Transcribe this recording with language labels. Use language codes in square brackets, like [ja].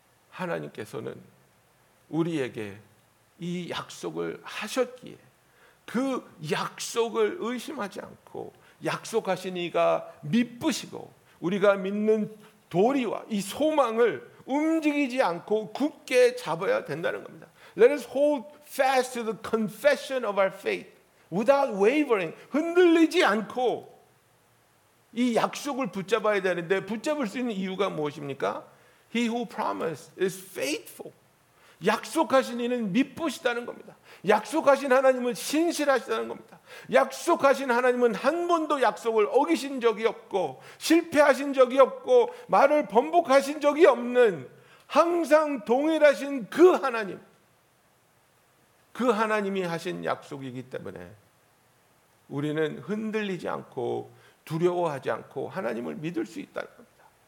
[ko] 하나님께서는 우리에게 이 약속을 하셨기에 그 약속을 의심하지 않고 약속하신 이가 믿으시고 우리가 믿는 도리와 이 소망을 움직이지 않고 굳게 잡아야 된다는 겁니다. [en] Let us hold fast to the confession of our faith without wavering. [ko] 흔들리지 않고 이 약속을 붙잡아야 되는데 붙잡을 수 있는 이유가 무엇입니까? [en] He who promised is faithful. [ko] 약속하신 이는 믿으시다는 겁니다. 약속하신 하나님은 신실하시다는 겁니다. 약속하신 하나님은 한 번도 약속을 어기신 적이 없고 실패하신 적이 없고 말을 번복하신 적이 없는 항상 동일하신 그 하나님, 그 하나님이 하신 약속이기 때문에 우리는 흔들리지 않고 두려워하지 않고 하나님을 믿을 수 있다는 겁니다.